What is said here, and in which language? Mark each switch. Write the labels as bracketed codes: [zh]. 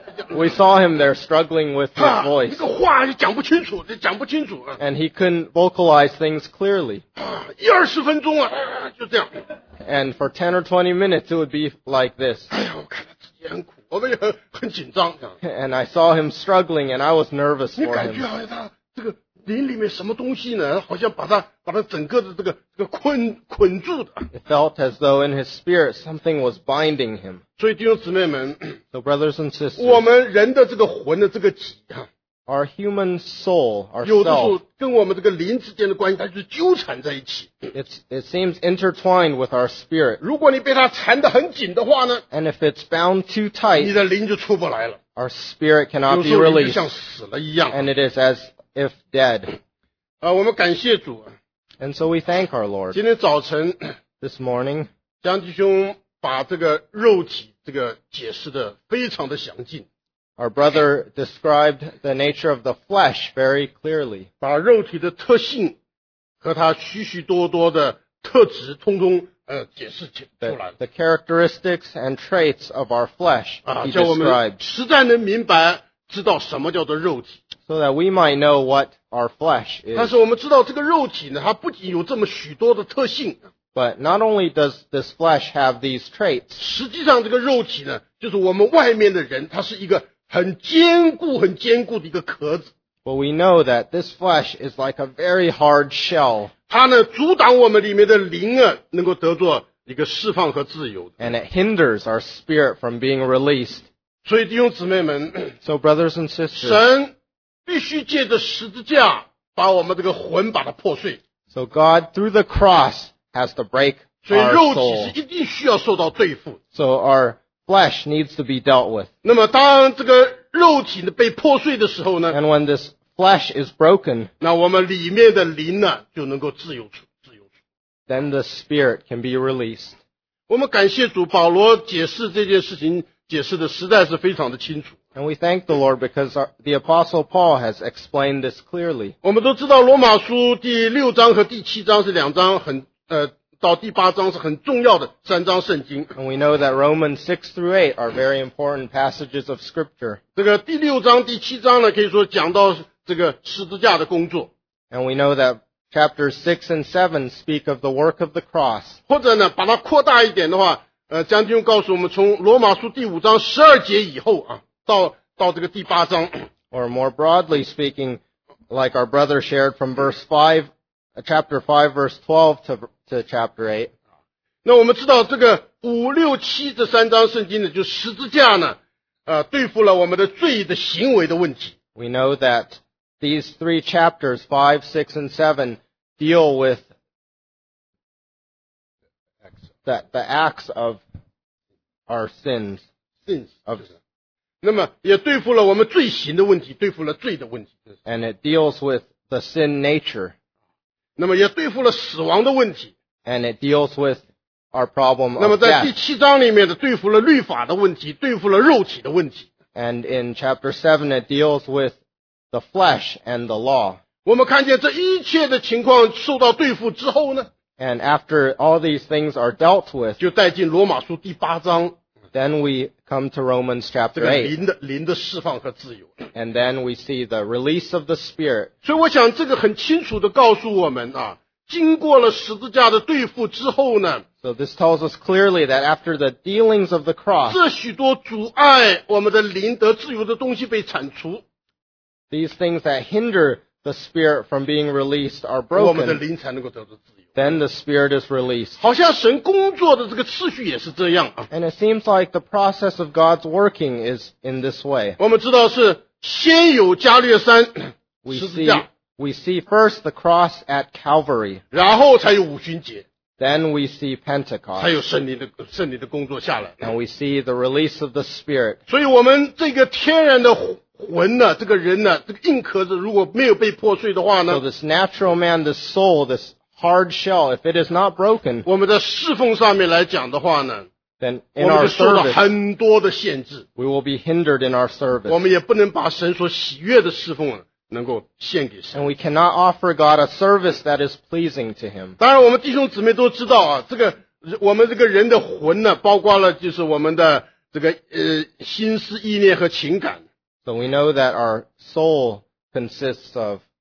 [en] We saw him there struggling with his voice. [zh] 那个话就讲不清楚，就讲不清楚。 [en] And he couldn't vocalize things clearly. [zh] 一二十分钟啊，就这样。 [en] And for 10 or 20 minutes, it would be like this. [zh] 哎呀，我看他自己很苦，我们也很紧张。 [en] And I saw him struggling, and I was nervous for him. [zh] 你感觉好像他这个灵里面什么东西呢？好像把他整个的这个捆住的。 [en] It felt as though in his spirit something was binding him. [zh] 所以弟兄姊妹们 [en] ，So brothers and sisters， [zh] 我们人的这个魂的这个体啊 [en] ，Our human soul， our self， [zh] 有的时候跟我们这个灵之间的关系，它就纠缠在一起。 [en] It seems intertwined with our spirit. [zh] 如果你被它缠得很紧的话呢 [en] ，And if it's bound too tight， [zh] 你的灵就出不来了。 [en] Our spirit cannot be released. [zh] 有时候你就像死了一样。 [en] And it is as if dead. [zh] 我们感谢主。 [en] And so we thank our Lord. [zh] 今天早晨 [en] This morning, [zh] 江弟兄把这个肉体这个解释的非常的详尽。 [en] Our brother described the nature of the flesh very clearly. [zh] 把肉体的特性和它许许多多的特质通通解释出来。 [en] The characteristics and traits of our flesh, he described. [zh] 叫我们实在能明白知道什么叫做肉体。 [en] So that we might know what our flesh is. [zh] 但是我们知道这个肉体呢，它不仅有这么许多的特性。 [en] But not only does this flesh have these traits. [zh] 实际上这个肉体呢，就是我们外面的人，它是一个很坚固、很坚固的一个壳子。 [en] But we know that this flesh is like a very hard shell. [zh] 它呢，阻挡我们里面的灵啊，能够得着一个释放和自由。 [en] And it hinders our spirit from being released. [zh] 所以弟兄姊妹们 [en] ，So brothers and sisters. [zh] 神必须借着十字架把我们这个魂把它破碎。 [en] So God through the cross has to break our soul. [zh] 所以肉体是一定需要受到对付。 [en] So our flesh needs to be dealt with. [zh] 那么当这个肉体被破碎的时候呢 [en] ？And when this flesh is broken, [zh] 那我们里面的灵呢就能够自由出。 [en] Then the spirit can be released. [zh] 我们感谢主，保罗解释这件事情解释的实在是非常的清楚。 [en] And we thank the Lord because the Apostle Paul has explained this clearly. [zh] 我们都知道罗马书第六章和第七章是两章很到第八章是很重要的三章圣经。 [en] And we know that Romans 6 through 8 are very important passages of scripture. [zh] 这个第六章第七章呢可以说讲到这个十字架的工作。 [en] And we know that chapters 6 and 7 speak of the work of the cross. [zh] 或者呢把它扩大一点的话将军告诉我们从罗马书第五章十二节以后啊到这个第八章。 [en] Or more broadly speaking, like our brother shared from verse 5, chapter 5, verse 12 to chapter 8. [zh] 那我们知道这个五六七这三章圣经呢就十字架呢对付了我们的罪的行为的问题。 [en] We know that these three chapters, 5, 6, and 7 deal with the acts of our sins. Sins. [zh] Of, 那么也对付了我们罪行的问题，对付了罪的问题。 [en] And it deals with the sin nature. [zh] 那么也对付了死亡的问题。 [en] And it deals with our problem of death. [zh] 那么在第七章里面的对付了律法的问题，对付了肉体的问题。 [en] And in chapter 7 it deals with the flesh and the law. [zh] 我们看见这一切的情况受到对付之后呢？ [en] And after all these things are dealt with, [zh] 就带进罗马书第八章。 [en] Then we come to Romans chapter 8. [zh] 这个灵的释放和自由。 [en] And then we see the release of the Spirit. [zh] 所以我想这个很清楚地告诉我们啊，经过了十字架的对付之后呢。 [en] So this tells us clearly that after the dealings of the cross, [zh] 这许多阻碍我们的灵得自由的东西被铲除。 [en] these things that hinder the spirit from being released are broken, [zh] 我们的灵才能够得到自由。 [en] Then the spirit is released. [zh] 好像神工作的这个次序也是这样。 [en] And it seems like the process of God's working is in this way. [zh] 我们知道是先有加略山十字架。 [en] We see first the cross at Calvary. [zh] 然后才有五旬节。 [en] Then we see Pentecost. [zh] 才有圣灵的工作下来。 [en] And we see the release of the spirit. [zh] 所以我们这个天然的魂呢，这个人呢，这个硬壳子如果没有被破碎的话呢 [en] ？So this natural man, this soul, this hard shell, if it is not broken, [zh] 我们在侍奉上面来讲的话呢 [en] ，then in our service, [zh] 我们就受到很多的限制。 [en] We will be hindered in our service. [zh] 我们也不能把神所喜悦的侍奉能够献给神。 [en] And we cannot offer God a service that is pleasing to Him. [zh] 当然，我们弟兄姊妹都知道啊，这个我们这个人的魂呢，包括了就是我们的这个心思意念和情感。 [en] So we know that our soul consists of